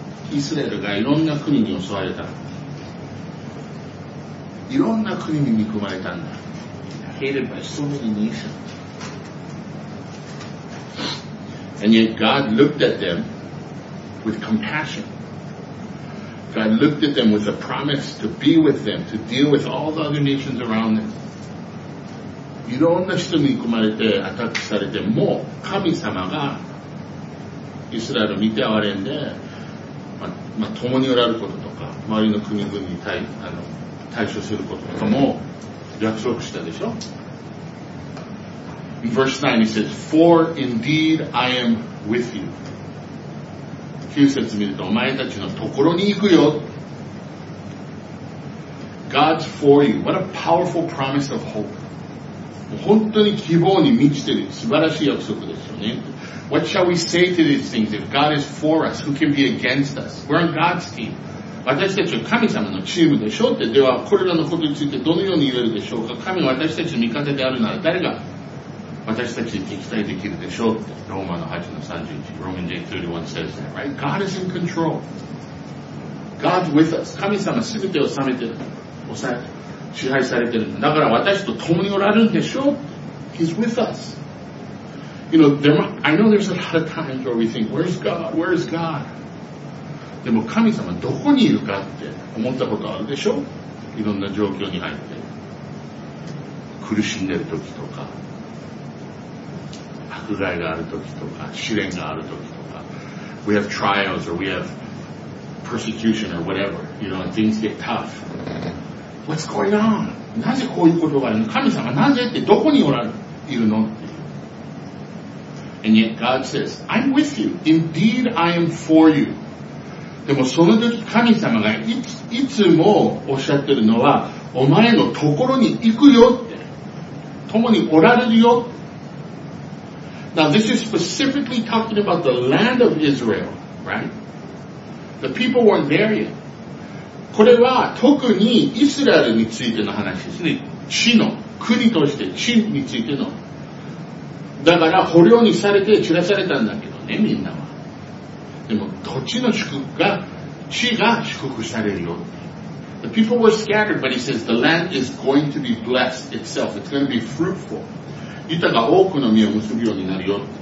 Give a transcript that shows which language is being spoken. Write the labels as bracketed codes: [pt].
[ja] イスラエルがいろんな国に襲われた。いろんな国に憎まれたんだ。 [en] Hated by so many nations. And yet God looked at them with compassion. God looked at them with a promise to be with them, to deal with all the other nations around them. [ja] いろんな人に憎まれてアタックされても、神様がイスラエルを見て憐れんで、共におられることとか、周りの国々に 対処することとかも約束したでしょ。 [en] In verse 9 he says, For indeed I am with you. [ja] 9節見るとお前たちのところに行くよ。 [en] God's for you. What a powerful promise of hope. [ja] 本当に希望に満ちている素晴らしい約束ですよね。 [en] What shall we say to these things? If God is for us, who can be against us? We're on God's team. [ja] 私たちは神様のチームでしょって。ではこれらのことについてどのように言えるでしょうか。神は私たちの味方であるなら誰が私たちに敵対できるでしょうって。 [en] ローマの8の31、 Romans 8:31 says that, right? God is in control. God's with us. [ja] 神様すべてを治めてる、支配されてる。だから私と共におられるんでしょう。 [en] He's with us. You know, I know there's a lot of times where we think, "Where's God? Where's God?" [ja] でも神様どこにいるかって思ったことあるでしょう。いろんな状況に入って苦しんでる時とか。 [en] 迫害がある時とか試練がある時とか、 We have trials or we have persecution or whatever, you know, things get tough. What's going on? [ja] なぜこういうことがあるの？神様なぜって、どこにおられるの？ [en] And yet God says, I'm with you. Indeed I am for you. [ja] でもその時神様がいつもおっしゃってるのは、お前のところに行くよって、共におられるよ。 [en] Now this is specifically talking about the land of Israel, right? The people weren't there yet. [ja] これは特にイスラエルについての話ですね。地の国として地についての。だから捕虜にされて散らされたんだけどね、みんなは。でも土地の祝福が、地が祝福されるよ。 [en] The people were scattered, but he says the land is going to be blessed itself. It's going to be fruitful. [ja] 豊か多くの実を結ぶようになるよ。